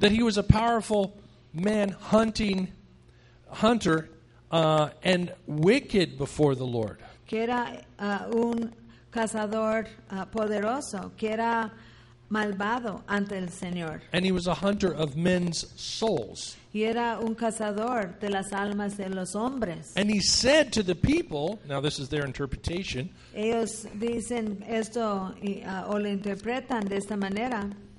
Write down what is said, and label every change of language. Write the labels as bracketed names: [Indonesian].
[English] That he was a powerful man hunter and wicked before the Lord. [Spanish] Que era un cazador poderoso, que era malvado ante el Señor. [English] And he was a hunter of men's souls. [Spanish] Y era un cazador de las almas de los hombres. [English] And he said to the people, now this is their interpretation. [Spanish] Ellos dicen esto o lo interpretan de esta manera.